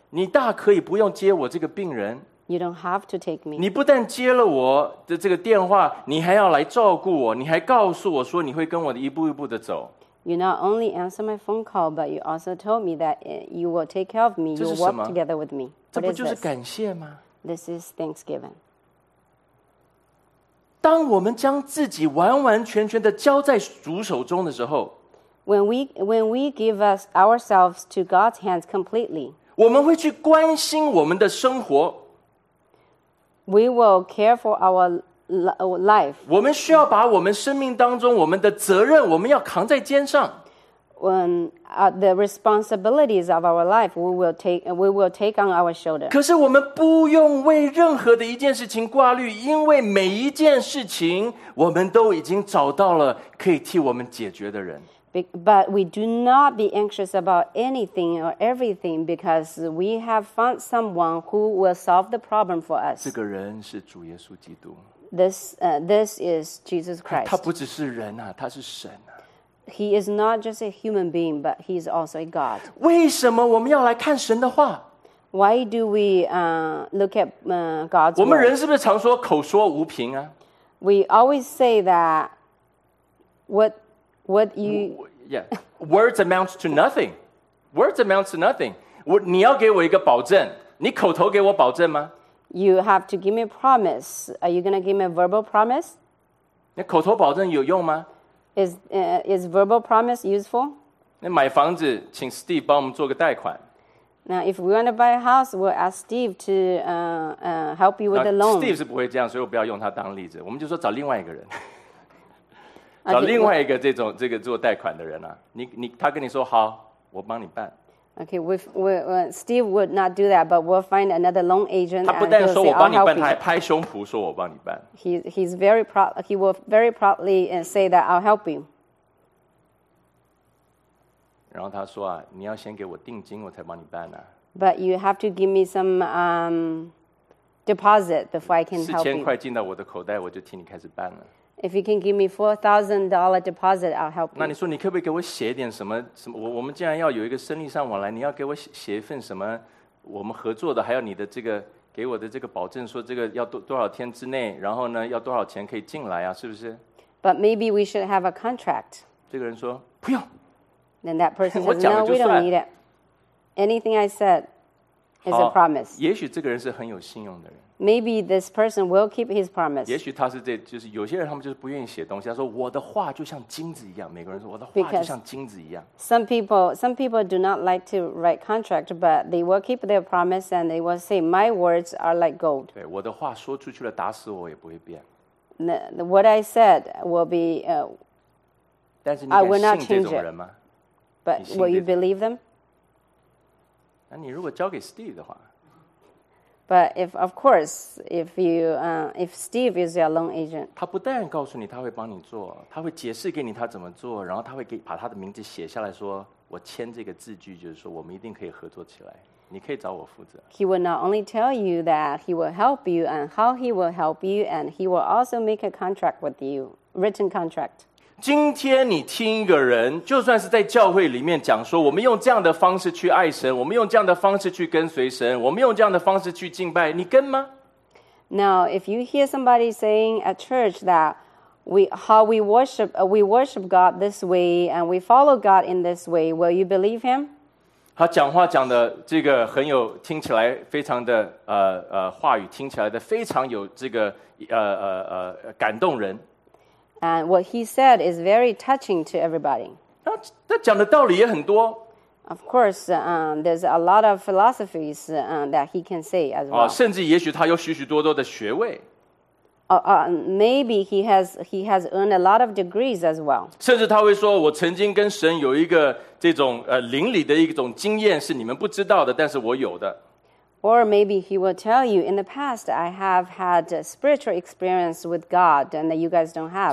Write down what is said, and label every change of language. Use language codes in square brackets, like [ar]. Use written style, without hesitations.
[zh] 你大可以不用接我这个病人。 [en] You don't have to take me. [zh] 你不但接了我的这个电话，你还要来照顾我，你还告诉我说你会跟我一步一步的走。 [en] You not only answer my phone call, but you also told me that you will take care of me. You will work together with me. What is this? [zh] 这不就是感谢吗？ [en] This is thanksgiving. [zh] 当我们将自己完完全全的交在主手中的时候， [en] When we give us ourselves to God's hands completely, [zh] 我们会去关心我们的生活。 [en] We will care for our life. [zh] 我们需要把我们生命当中我们的责任我们要扛在肩上。 [en] The responsibilities of our life we will take on our shoulder. [zh] 可是我们不用为任何的一件事情挂虑，因为每一件事情我们都已经找到了可以替我们解决的人。 [en] But we do not be anxious about anything or everything because we have found someone who will solve the problem for us. [zh] 这个人是主耶稣基督。 [en] This is Jesus Christ. [zh] 他不只是人啊，他是神啊。 [en] He is not just a human being, but he is also a God. [zh] 为什么我们要来看神的话？ [en] Why do we look at God's word? [zh] 我们人是不是常说口说无凭啊？ [en] We always say that what you... Yeah, words amount to nothing. Words amount to nothing. [zh] 你要给我一个保证，你口头给我保证吗？ [en] You have to give me a promise. Are you going to give me a verbal promise? [zh] 那口头保证有用吗？ [en] Is verbal promise useful? [zh] 那买房子请 Steve 帮我们做个贷款。 [en] Now if we want to buy a house, we'll ask Steve to help you with the loan. [zh] Steve 是不会这样，所以我不要用他当例子。我们就说找另外一个人。找另外一个这种这个做贷款的人啊。他跟你说好，我帮你办。 [en] Okay, Steve would not do that, but we'll find another loan agent. [zh] 他不但说我帮你办，他还拍胸脯说我帮你办。 [en] He's very proud. He will very proudly say that I'll help you. [zh] 然后他说啊，你要先给我定金，我才帮你办呢。 [en] But you have to give me some deposit before I can help you. [zh] 4000块进到我的口袋，我就替你开始办了。 [en] If you can give me $4,000 deposit, I'll help you. [zh] 那你说你可不可以给我写点什么？什么？我们既然要有一个生意上往来，你要给我写一份什么？我们合作的，还有你的这个给我的这个保证，说这个要多少天之内，然后呢要多少钱可以进来啊？是不是 [en] ？But maybe we should have a contract. [zh] 这个人说不用。 [en] Then that person says, "No, we don't need it. Anything I said is a promise." [zh] 也许这个人是很有信用的人。 [en] Maybe this person will keep his promise. [zh] 也许他是这，就是有些人他们就是不愿意写东西。他说我的话就像金子一样。每个人说我的话就像金子一样。 [en] Because some people do not like to write contract, but they will keep their promise and they will say, "My words are like gold." [zh] 对，我的话说出去了，打死我也不会变。 [en] What I said will be. [zh] 但是你敢信这种人吗？ [en] I will not change it. But will you believe them? [zh] 那你如果交给 Steve 的话。 [en] But if, of course, if you, if Steve is your loan agent, [zh] 他不但告诉你他会帮你做，他会解释给你他怎么做，然后他会给把他的名字写下来说，我签这个字据，就是说我们一定可以合作起来，你可以找我负责。 [en] He will not only tell you that he will help you and how he will help you, and he will also make a contract with you, written contract. [zh] 今天你听一个人，就算是在教会里面讲说，我们用这样的方式去爱神，我们用这样的方式去跟随神，我们用这样的方式去敬拜，你跟吗？ [en] Now, if you hear somebody saying at church that we worship God this way and we follow God in this way, will you believe him? [zh] 他讲话讲的这个很有，听起来非常的话语听起来的非常有这个感动人。 [en] And what he said is very touching to everybody. [zh] 那讲的道理也很多。 [en] Of course, there's a lot of philosophies that he can say as well. [zh] 甚至也许他有许许多多的学位。 [en] Maybe he has earned a lot of degrees as well. [zh] 甚至他会说，我曾经跟神有一个这种灵里的一种经验是你们不知道的，但是我有的。 [en] Or maybe he will tell you, in the past, I have had a spiritual experience with God and that you guys don't have.